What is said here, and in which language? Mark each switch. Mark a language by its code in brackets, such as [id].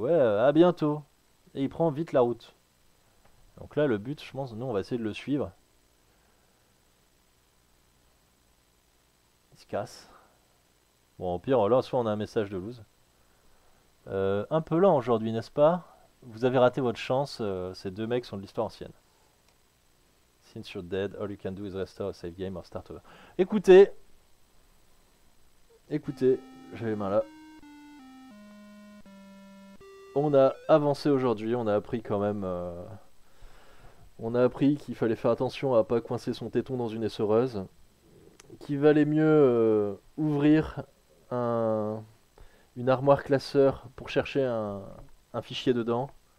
[fr] Ouais, à bientôt. Et il prend vite la route. Donc là, le but, je pense, nous, on va essayer de le suivre. Casse. Bon, au pire, là, soit on a un message de loose. Un peu lent aujourd'hui, n'est-ce pas? Vous avez raté votre chance, ces deux mecs sont de l'histoire ancienne. [en] Since you're dead, all you can do is restore a save game or start over. [fr] Écoutez! Écoutez, j'ai les mains là. On a avancé aujourd'hui, on a appris quand même. On a appris qu'il fallait faire attention à pas coincer son téton dans une essoreuse. Qu'il valait mieux ouvrir une armoire classeur pour chercher un fichier dedans.